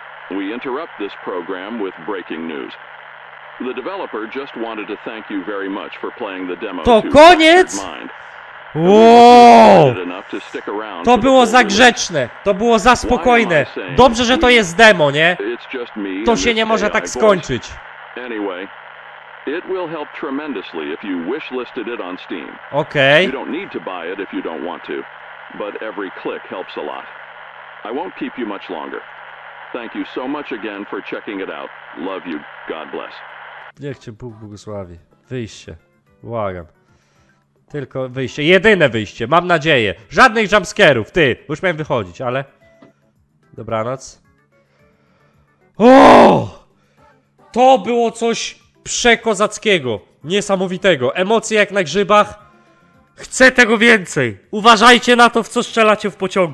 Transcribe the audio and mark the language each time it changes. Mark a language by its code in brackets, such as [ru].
[en] We interrupt this program with breaking news. The developer just wanted to thank you very much for playing the demo. [pl] To koniec! Wow! To było za grzeczne, to było za spokojne. Dobrze, że to jest demo, nie? To się nie może tak skończyć. [en] Anyway. It will help tremendously if you wishlisted it on Steam. Okay. You don't need to buy it if you don't want to, but every click helps a lot. I won't keep you much longer. Thank you so much again for checking it out. Love you. God bless. [pl] Niech cię Bóg błogosławi. Wyjście. Błagam. Tylko wyjście. Jedyne wyjście. Mam nadzieję. Żadnych jumpscare'ów. Ty. Już miałem wychodzić, ale... Dobranoc. O! To było coś... przekozackiego, niesamowitego, emocje jak na grzybach, chcę tego więcej, uważajcie na to, w co strzelacie w pociągu.